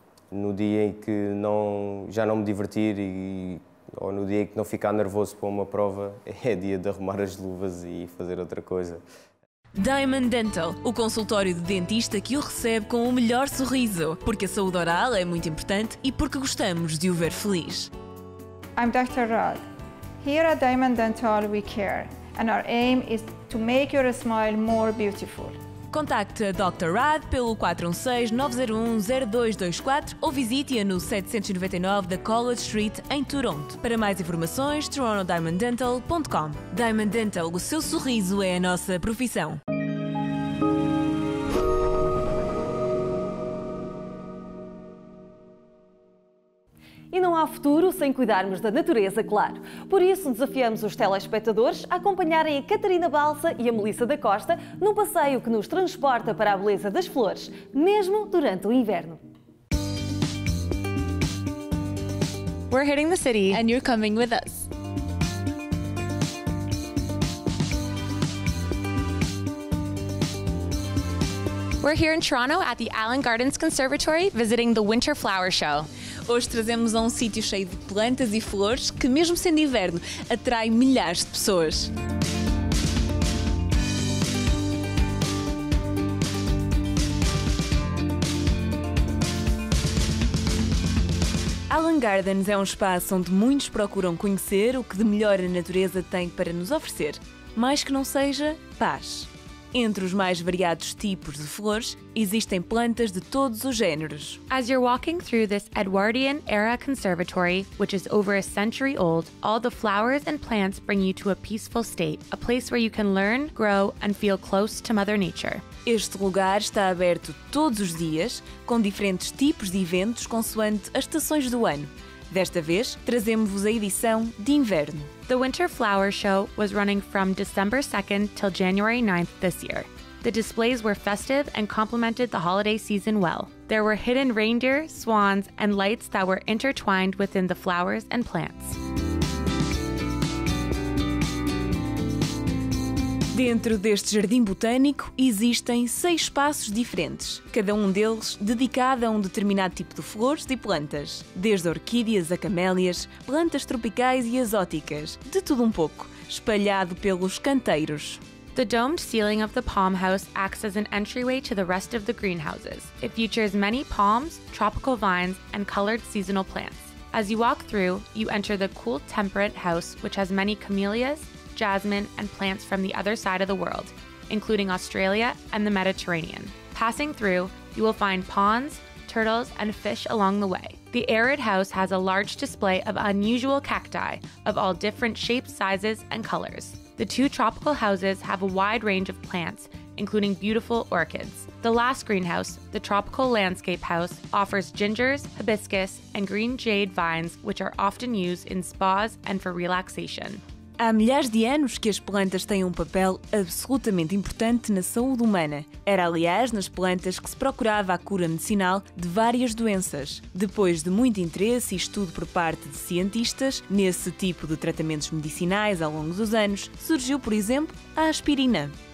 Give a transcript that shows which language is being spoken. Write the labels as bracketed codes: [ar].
[pt] No dia em que já não me divertir ou no dia em que não ficar nervoso para uma prova, é dia de arrumar as luvas e fazer outra coisa. Diamond Dental, o consultório de dentista que o recebe com o melhor sorriso, porque a saúde oral é muito importante e porque gostamos de o ver feliz. [en] I'm Dr. Rod. Here at Diamond Dental we care and our aim is to make your smile more beautiful. [pt] Contacte a Dr. Rad pelo 416-901-0224 ou visite-a no 799 da College Street, em Toronto. Para mais informações, torontodiamonddental.com. Diamond Dental, o seu sorriso é a nossa profissão. E não há futuro sem cuidarmos da natureza, claro. Por isso, desafiamos os telespectadores a acompanharem a Catarina Balsa e a Melissa da Costa num passeio que nos transporta para a beleza das flores, mesmo durante o inverno. [en] We're hitting the city and you're coming with us. We're here in Toronto at the Allan Gardens Conservatory visiting the Winter Flower Show. [pt] Hoje trazemos a um sítio cheio de plantas e flores que, mesmo sendo inverno, atrai milhares de pessoas. Allan Gardens é um espaço onde muitos procuram conhecer o que de melhor a natureza tem para nos oferecer, mais que não seja paz. Entre os mais variados tipos de flores, existem plantas de todos os géneros. [en] As you're walking through this Edwardian era conservatory, which is over a century old, all the flowers and plants bring you to a peaceful state, a place where you can learn, grow and feel close to Mother Nature. [pt] Este lugar está aberto todos os dias, com diferentes tipos de eventos consoante as estações do ano. Desta vez, trazemos-vos a edição de inverno. [en] The Winter Flower Show was running from December 2nd till January 9th this year. The displays were festive and complemented the holiday season well. There were hidden reindeer, swans, and lights that were intertwined within the flowers and plants. [pt] Dentro deste jardim botânico existem 6 espaços diferentes, cada um deles dedicado a um determinado tipo de flores e plantas. Desde orquídeas a camélias, plantas tropicais e exóticas, de tudo um pouco, espalhado pelos canteiros. [en] The domed ceiling of the palm house acts as an entryway to the rest of the greenhouses. It features many palms, tropical vines and colored seasonal plants. As you walk through, you enter the cool temperate house, which has many camellias, jasmine and plants from the other side of the world, including Australia and the Mediterranean. Passing through, you will find ponds, turtles and fish along the way. The arid house has a large display of unusual cacti of all different shapes, sizes and colors. The two tropical houses have a wide range of plants, including beautiful orchids. The last greenhouse, the tropical landscape house, offers gingers, hibiscus and green jade vines, which are often used in spas and for relaxation. [pt] Há milhares de anos que as plantas têm um papel absolutamente importante na saúde humana. Era, aliás, nas plantas que se procurava a cura medicinal de várias doenças. Depois de muito interesse e estudo por parte de cientistas nesse tipo de tratamentos medicinais ao longo dos anos, surgiu, por exemplo, a aspirina.